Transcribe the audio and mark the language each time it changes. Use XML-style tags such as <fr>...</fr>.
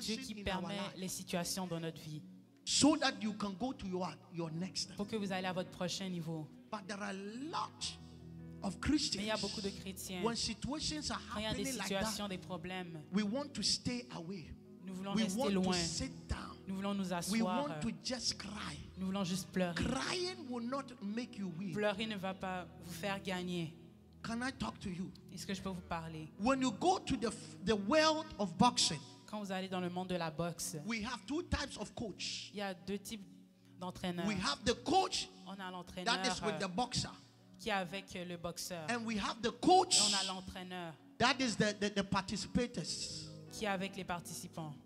<fr>C'est Dieu qui permet les situations dans notre vie.</fr> <en>So that you can go to your next.</en> <fr>Pour que vous allez à votre prochain niveau.</fr> <en>But there are lot of Christians.</en> <fr>Mais il y a beaucoup de chrétiens.</fr> <en>When situations are happening,</en> <fr>quand il y a des situations,</fr> <en>like that,</en> <fr>des problèmes,</fr> <en>we want to stay away.</en> <fr>Nous voulons</fr> <en>we</en> <fr>rester</fr> <en>want</en> <fr>loin.</fr> <en>To sit down.</en> <fr>Nous voulons nous asseoir.</fr> <en>We want to just cry.</en> <fr>Nous voulons juste pleurer.</fr> <en>Crying will not make you weak.</en> <fr>Pleurer ne va pas vous faire gagner.</fr> <en>Can I talk to you?</en> <fr>Est-ce que je peux vous parler?</fr> <en>When you go to the world of boxing,</en> <fr>quand vous allez dans le monde de la boxe,</fr> <en>we have two types of coach.</en> <fr>Il y a deux types d'entraîneurs.</fr> <en>We have the coach.</en> <fr>On a l'entraîneur.</fr> <en>That is with the boxer.</en> <fr>Qui est avec le boxeur.</fr> <en>And we have the coach.</en> <fr>Et on a l'entraîneur.</fr> <en>That is the participators.</en> <fr>Qui est avec les participants.</fr>